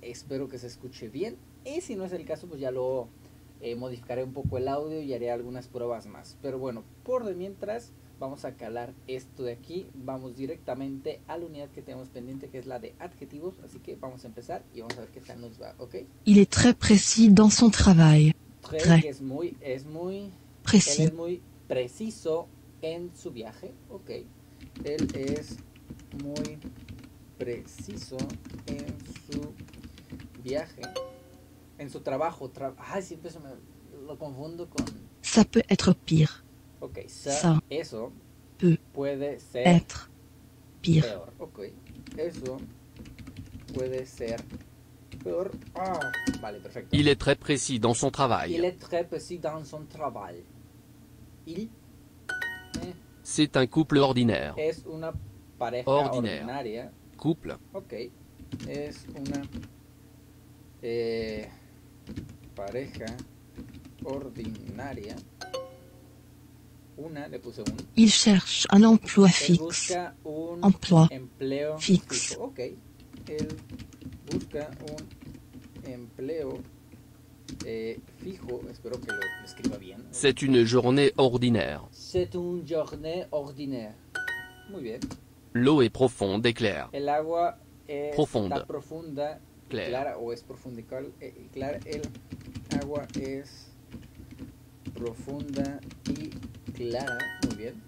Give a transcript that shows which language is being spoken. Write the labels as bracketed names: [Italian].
[Spanish] Espero que se escuche bien. Y si no es el caso, pues ya lo modificaré un poco el audio y haré algunas pruebas más. Pero bueno, por de mientras, vamos a calar esto de aquí. Vamos directamente a la unidad que tenemos pendiente, que es la de adjetivos. Así que vamos a empezar y vamos a ver qué tal nos va, ¿ok? [French] Il est très précis dans son travail. [Spanish] Très, que es muy [French] précis. [Spanish] Él es muy preciso en su viaje, ¿ok? Él es muy preciso en su viaje, en su trabajo. Ay, siempre se me lo confundo con... [French] Ça peut être pire. Ok, [Spanish] eso puede ser [French] pire. [Spanish] Peor. Ok, eso puede ser peor. Ah, vale, perfecto. [French] Il est très précis dans son travail. Il est très précis dans son travail. Il... C'est un couple ordinaire. [Spanish] Es una pareja ordinaire. Ordinaria. [French] Couple. [Spanish] Ok, es una pareja ordinaria. Una, le puse un. [French] Il cherche un emploi fixe. [Spanish] Busca un [French] emploi [Spanish] empleo [French] fixe. [Spanish] Fijo. Ok. Él busca un empleo fijo. Espero que lo escriba bien. [French] C'est une journée ordinaire. C'est une journée ordinaire. [Spanish] Muy bien. [French] L'eau est profonde et claire. [Spanish] El agua es [French] profonde. [Spanish] Profunda, [French] claire. [Spanish] Clara o es profunda y clara. El agua es profunda y clara, muy bien.